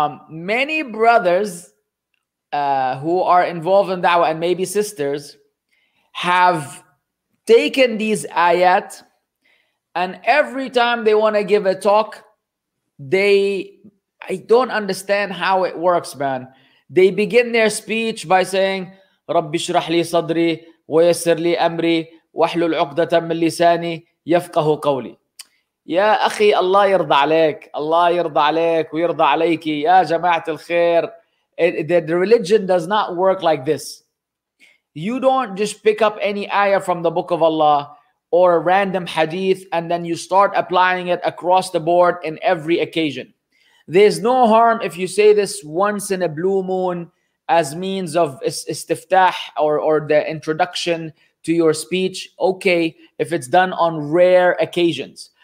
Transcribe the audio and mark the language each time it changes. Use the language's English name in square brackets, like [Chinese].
[English] Many brothers who are involved in da'wah, and maybe sisters, have taken these ayat, and every time they want to give a talk, I don't understand how it works, man. They begin their speech by saying, [Arabic] رَبِّ شْرَحْ لِي صَدْرِي وَيَسِّرْ لِي أَمْرِي وَحْلُ الْعُقْدَةَ مِنْ لِسَانِي يفقه قولي. يا أخي الله يرضى عليك، الله يرضى عليك ويرضى عليك يا جماعة الخير. [English] The religion does not work like this. You don't just pick up any ayah from the book of Allah or a random hadith and then you start applying it across the board in every occasion. There's no harm if you say this once in a blue moon as means of istiftah or the introduction to your speech, okay, if it's done on rare occasions.